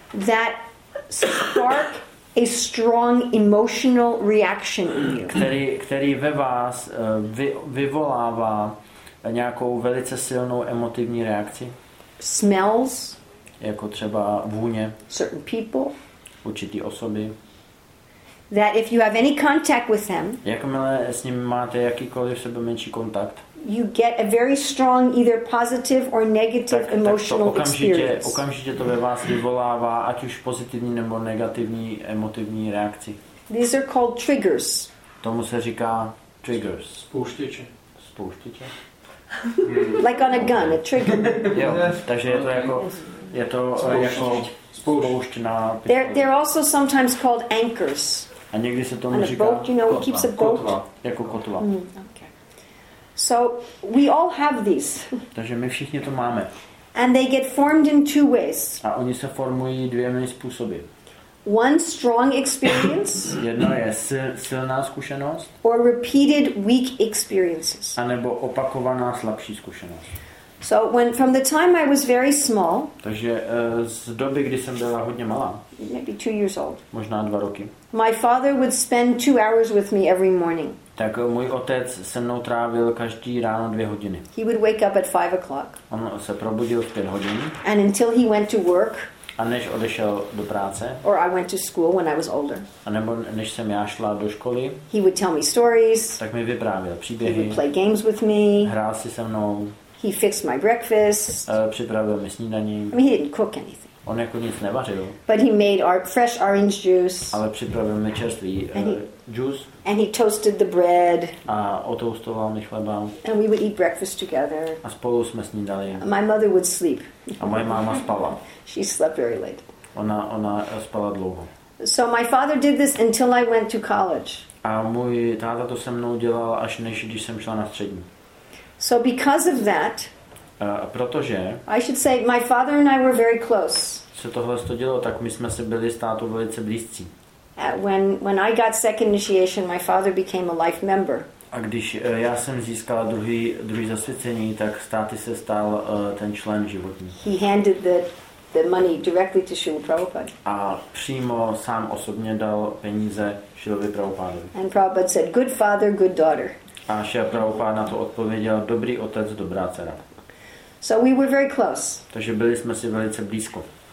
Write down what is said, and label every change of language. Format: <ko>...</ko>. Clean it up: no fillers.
<en>That spark a strong emotional reaction in you.</en> <cs>Který ve vás vyvolává nějakou velice silnou emotivní reakci.</cs> <en>Smells.</en> <cs>Jako třeba vůně.</cs> <en>Certain people.</en> <cs>Určitý osoby.</cs> <en>That if you have any contact with them.</en> <cs>Jakmile s nimi máte jakýkoliv sebemenší kontakt.</cs> <en>You get a very strong either positive or negative emotional experience.</en> <cs>Okamžitě to ve vás vyvolává ať už pozitivní nebo negativní emotivní reakci.</cs> <en>These are called triggers.</en> <cs>Tomu se říká triggers. Spouštěče.</cs> <en>Like on a gun, a trigger.</en> <cs>Jo, takže je to jako spoušť na.</cs> <en>They're also sometimes called anchors.</en> <cs>A někdy se tomu</cs> <en>on</en> <cs>říká</cs> <en>boat, you know, kotva. Keeps a boat.</en> <cs>Kotva. Jako kotva.</cs> <en>Mm, okay. So we all have these.</en> <cs>Takže my všichni to máme.</cs> <en>And they get formed in two ways.</en> <cs>A oni se formují dvěma způsoby.</cs> <en>One strong experience.</en> <cs>Jedno je silná zkušenost.</cs> <en>Or repeated weak experiences.</en> <cs>A nebo opakovaná slabší zkušenost.</cs> <en>So when from the time I was very small,</en> <cs>takže z doby, kdy jsem byla hodně malá,</cs> <en>maybe 2 years old,</en> <cs>možná 2 roky,</cs> <en>my father would spend 2 hours with me every morning.</en> <cs>Tak můj otec se mnou trávil každý ráno 2 hodiny.</cs> <en>He would wake up at 5 o'clock.</en> <cs>On se probudil v 5 hodin.</cs> <en>And until he went to work.</en> <cs>A než odešel do práce.</cs> <en>Or I went to school when I was older.</en> <cs>A nebo než jsem já šla do školy.</cs> <en>He would tell me stories.</en> <cs>Tak mi vyprávěl příběhy.</cs> <en>He would play games with me.</en> <cs>Hrál si se mnou.</cs> <en>He fixed my breakfast.</en> <cs>Připravil mi snídaní.</cs> <en>I mean, he didn't cook anything.</en> <cs>On jako nic nevařil.</cs> <en>But he made our fresh orange juice.</en> <cs>Ale připravil mi čerstvý juice.</cs> <en>And he toasted the bread.</en> <cs>A otoustoval mi chleba.</cs> <en>And we would eat breakfast together.</en> <cs>A spolu jsme snídali.</cs> <en>My mother would sleep.</en> <cs>A moje máma spala.</cs> <en>She slept very late.</en> <cs>Ona spala dlouho.</cs> <en>So my father did this until I went to college.</en> <cs>A můj táta to se mnou dělal až než když jsem šla na střední.</cs> <en>So because of that,</en> <cs>protože</cs> <en>I should say my father and I were very close.</en> <cs>Co tohle to dělo, tak my jsme se byli s tátou velice blízcí.</cs> <en>When I got second initiation, my father became a life member.</en> <cs>A když já jsem získala druhý zasvěcení, tak státy se stal ten člen životní.</cs> <en>He handed the money directly to Srila Prabhupada.</en> <cs>A přímo sám osobně dal peníze Srilovi Prabhupadovi.</cs> <en>And Prabhupada said, good father, good daughter.</en> <cs>A Srila Prabhupada na to odpověděl, dobrý otec, dobrá dcera.</cs> <en>So we were very close.</en> <cs>Takže byli jsme si velice blízko.</cs>